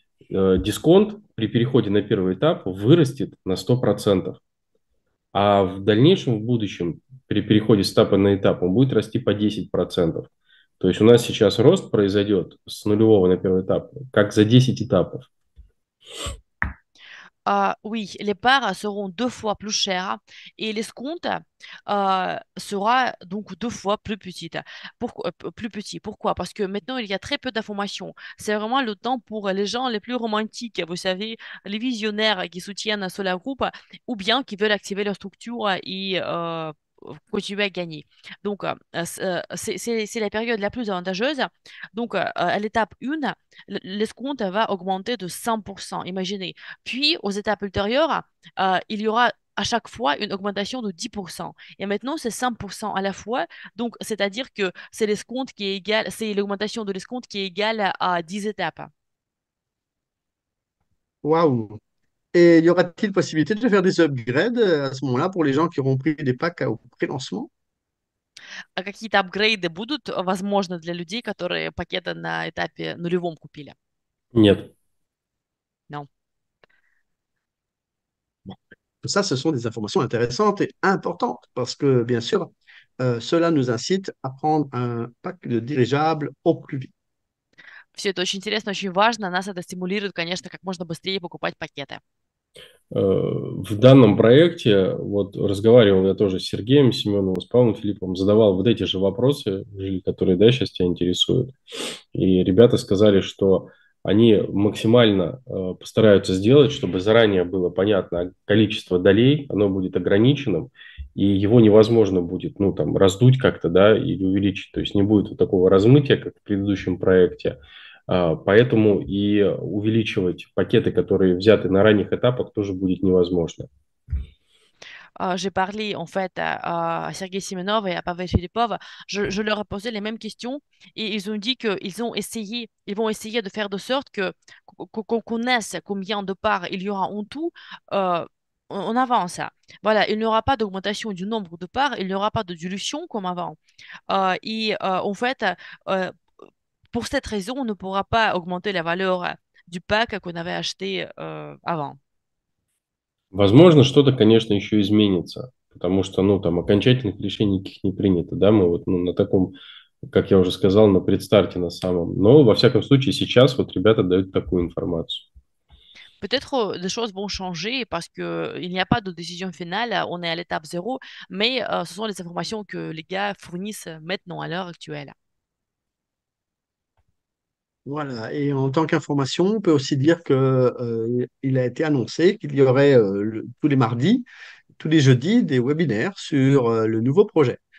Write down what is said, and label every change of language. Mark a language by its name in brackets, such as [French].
[Russian] Дисконт при переходе на первый этап вырастет на 100%, а в дальнейшем, в будущем, при переходе с этапа на этап, он будет расти по 10%. То есть у нас сейчас рост произойдет с нулевого на первый этап, как за 10 этапов. [French] Oui, les parts seront 2 fois plus chères et l'escompte sera donc 2 fois plus petite. Pourquoi? Parce que maintenant, il y a très peu d'informations. C'est vraiment le temps pour les gens les plus romantiques, vous savez, les visionnaires qui soutiennent Solar Group ou bien qui veulent activer leur structure et continuer à gagner. Donc, c'est la période la plus avantageuse. Donc, à l'étape 1, l'escompte va augmenter de 100%, imaginez. Puis, aux étapes ultérieures, il y aura à chaque fois une augmentation de 10%. Et maintenant, c'est 100% à la fois. Donc, c'est-à-dire que c'est l'escompte qui est égal, c'est l'augmentation de l'escompte qui est égale à 10 étapes. Waouh! Et y aura-t-il possibilité de faire des upgrades à ce moment-là pour les gens qui auront pris des packs au pré-lancement? [Russian] Какие-то апгрейды будут, возможно, для людей, которые пакеты на этапе нулевом купили? Нет. [French] Non. Ça, ce sont des informations intéressantes et importantes parce que, bien sûr, cela nous incite à prendre un pack de dirigeables au plus vite. [Russian] Все это очень интересно, очень важно. Нас это стимулирует, конечно, как можно быстрее покупать пакеты. В данном проекте, вот разговаривал я тоже с Сергеем Семеновым, с Павлом Филипповым, задавал вот эти же вопросы, которые, да, сейчас тебя интересуют. И ребята сказали, что они максимально постараются сделать, чтобы заранее было понятно количество долей, оно будет ограниченным, и его невозможно будет, ну, там, раздуть как-то, да, или увеличить. То есть не будет вот такого размытия, как в предыдущем проекте. Поэтому и увеличивать пакеты, которые взяты на ранних этапах, тоже будет невозможно. [French] J'ai parlé en fait à Sergey Simonov et à Pavel Filipov. Je leur ai posé les mêmes questions et ils ont dit qu'ils ont essayé, ils vont essayer de faire de sorte que qu'on connaisse combien de parts il y aura en tout. On avance. Voilà, il n'y aura pas d'augmentation du nombre de parts, il n'y aura pas de dilution comme avant. En fait, pour cette raison, on ne pourra pas augmenter la valeur du pack qu'on avait acheté avant. [Russian] Возможно, что-то, конечно, еще изменится, потому что, ну, там, окончательных решений никаких не принято, да, мы вот, ну, на таком, как я уже сказал, на предстарте на самом, но, во всяком случае, сейчас вот ребята дают такую информацию. [French] Peut-être les choses vont changer parce que il n'y a пas de décision finale, on est à l'étape zéro, mais ce sont les informations que les gars fournissent maintenant à l'heure actuelle. Voilà, et en tant qu'information, on peut aussi dire que il a été annoncé qu'il y aurait tous les mardis, tous les jeudis, des webinaires sur le nouveau projet.